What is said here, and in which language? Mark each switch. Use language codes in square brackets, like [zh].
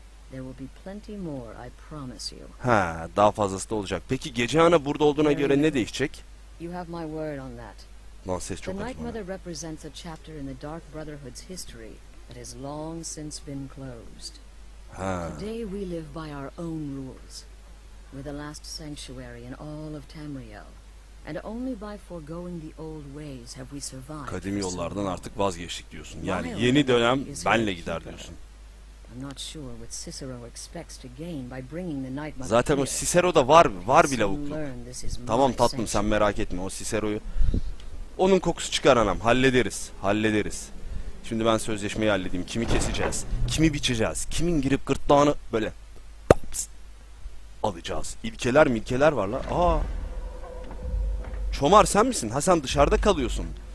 [en] There will be plenty more, I promise you. [tr] Ha, daha fazlası da olacak. Peki gece ana burada olduğuna göre ne değişecek? [en] You have my word on that. [tr] Lan ses çok açık. [en] The Nightmother represents a chapter in the Dark Brotherhood's history that has long since been closed. Ha. Today we live by our own rules. We're the last sanctuary in all of Tamriel. And only by foregoing the old ways have we survived. [tr] Kadim yollardan artık vazgeçtik diyorsun. Yani yeni dönem benle gider diyorsun. [en] I'm not sure what Cicero expects to gain by bringing the Nightmother. [tr] Zaten o Cicero da var, var bir lavuklu. Tamam tatlım, sen merak etme o Cicero'yu. Onun kokusu çıkar anam, hallederiz, hallederiz. Şimdi ben sözleşmeyi halledeyim. Kimi keseceğiz? Kimi biçeceğiz? Kimin girip gırtlağını böyle Alacağız. İlkeler milkeler var lan. Aa. Çomar sen misin? Ha sen dışarıda kalıyorsun.